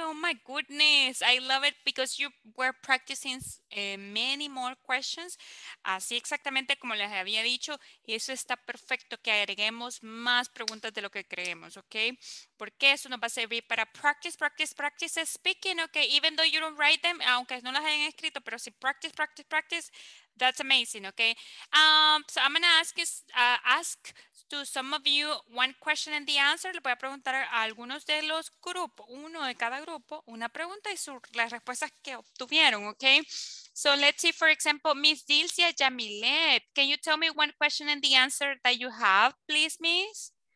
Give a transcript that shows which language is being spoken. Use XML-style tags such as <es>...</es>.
<en>Oh my goodness, I love it because you were practicing many more questions.</en> <es>Así exactamente como les había dicho, eso está perfecto, que agreguemos más preguntas de lo que creemos, okay? Porque eso nos va a servir para</es> <en>practice speaking,</en> <es>okay?</es> <en>Even though you don't write them,</en> <es>aunque no las hayan escrito, pero si</es> <en>practice, that's amazing, okay? So I'm gonna ask to some of you one question and the answer.</en> <es>Le voy a preguntar a algunos de los grupos, uno de cada grupo, una pregunta y las respuestas que obtuvieron, okay?</es> <en>So let's see, for example, Miss Dilcia Jamilet, can you tell me one question and the answer that you have, please, Miss?</en>